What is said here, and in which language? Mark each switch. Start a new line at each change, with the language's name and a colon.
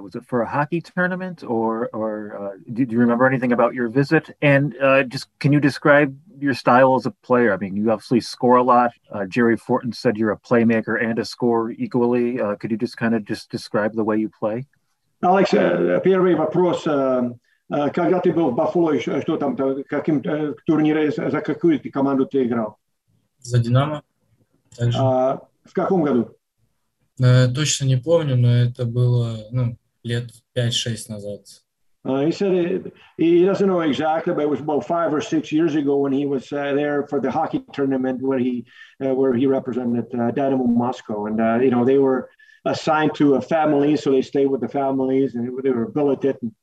English: Was it for a hockey tournament, or did you remember anything about your visit? And just can you describe your style as a player? I mean, you obviously score a lot. Jerry Fortin said you're a playmaker and a scorer equally. Could you just kind of just describe the way you play?
Russian: Alex, первый вопрос. Когда ты был в Buffalo, что там, каким турнире, за какую ты команду ты играл? За Динамо. Также. В каком году? Точно не помню, но это было лет 5-6 назад.
English: He said he doesn't know exactly, but it was about 5 or 6 years ago when he was there for the hockey tournament where he represented Dynamo Moscow. And, they were assigned to a family, so they stayed with the families, and they were billeted